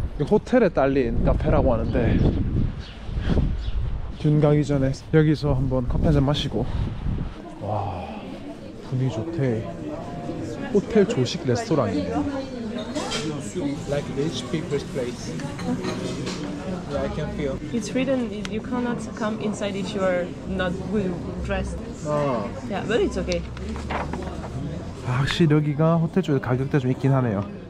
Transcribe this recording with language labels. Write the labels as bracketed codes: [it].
[ko] 호텔에 딸린 카페라고 하는데 듄 가기 전에 여기서 한번 커피 한잔 마시고 와 분위기 좋대. 호텔 조식 레스토랑이네요. [en] Like rich people's place. I can feel. It's written you cannot come inside if you are not dressed. Yeah, but it's okay. [ko] 확실히 여기가 호텔 쪽에 가격대 좀 있긴 하네요.